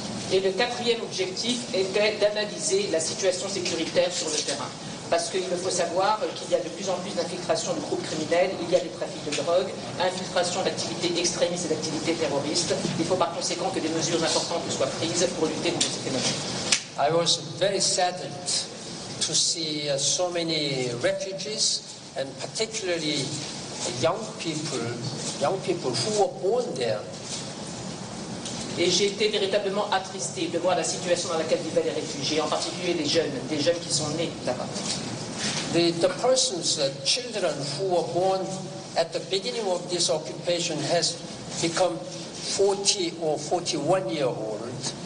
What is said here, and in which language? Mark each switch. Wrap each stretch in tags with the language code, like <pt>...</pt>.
<fr>Et le quatrième objectif était d'analyser la situation sécuritaire sur le terrain. Parce qu'il me faut savoir qu'il y a de plus en plus d'infiltrations de groupes criminels, il y a des trafics de drogue, infiltration d'activités extrémistes et d'activités terroristes. Il faut par conséquent que des mesures importantes soient prises pour lutter contre ces phénomènes.</fr> <en>I was very saddened to see so many refugees and particularly young people who were born there.</en> <fr>Et j'ai été véritablement attristé de voir la situation dans laquelle vivaient les réfugiés, en particulier des jeunes qui sont nés là-bas.</fr> <en>The persons, the children who were born at the beginning of this occupation has become 40 or 41 years old.</en>